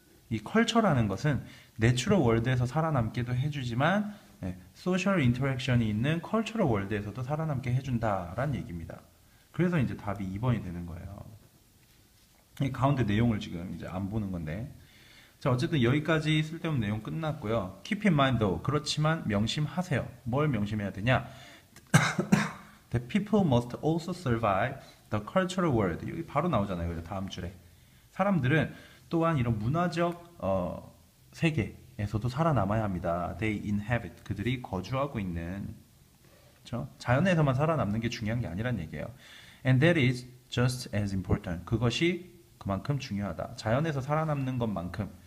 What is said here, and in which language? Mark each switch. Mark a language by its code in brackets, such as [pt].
[ko] 이 컬처라는 것은 내추럴 월드에서 살아남기도 해주지만, 네, 소셜 인터랙션이 있는 컬처럴 월드에서도 살아남게 해준다라는 얘기입니다. 그래서 이제 답이 2번이 되는 거예요. 이 가운데 내용을 지금 이제 안 보는 건데. 자, 어쨌든 여기까지 쓸데없는 내용 끝났고요. [en] Keep in mind though, [ko] 그렇지만 명심하세요. 뭘 명심해야 되냐? [en] The people must also survive the cultural world. [ko] 여기 바로 나오잖아요. 다음 줄에. 사람들은 또한 이런 문화적 세계에서도 살아남아야 합니다. [en] They inhabit. [ko] 그들이 거주하고 있는. 그렇죠? 자연에서만 살아남는 게 중요한 게 아니란 얘기예요. [en] And that is just as important. [ko] 그것이 그만큼 중요하다. 자연에서 살아남는 것만큼.